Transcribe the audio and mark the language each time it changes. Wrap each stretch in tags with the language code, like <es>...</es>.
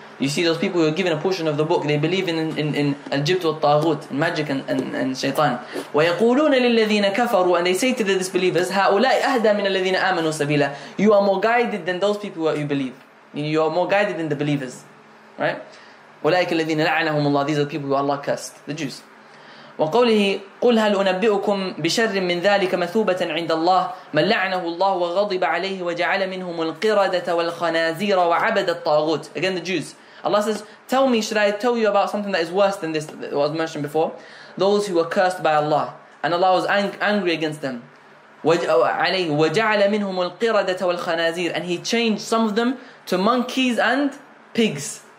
<en>You see those people who are given a portion of the book, they believe in al-jibt wal-taghut, in magic and shaitan.</en> <ar>وَيَقُولُونَ لِلَّذِينَ كَفَرُوا,</ar> <en>and they say to the disbelievers,</en> <ar>هَؤُلَاءِ أَهْدَى مِنَ الَّذِينَ آمَنُوا سَبِيلًا.</ar> <en>You are more guided than those people who you believe. You are more guided than the believers. Right?</en> <ar>وَلَئِكَ الَّذِينَ لَعَنَهُمُ اللَّهِ.</ar> <en>These are the people who Allah cursed, the Jews.</en> <ar>وقوله قل هل أنبئكم بشر من ذلك مثوبة عند الله من لعنه الله وغضب عليه وجعل منهم القردة والخنازير وعبد الطاغوت.</ar> <en>Again the Jews. Allah says, tell me, should I tell you about something that is worse than this that was mentioned before? Those who were cursed by Allah and Allah was angry against them.</en> <ar>عليه وجعل منهم القردة والخنازير,</ar> <en>and He changed some of them to monkeys and pigs.</en>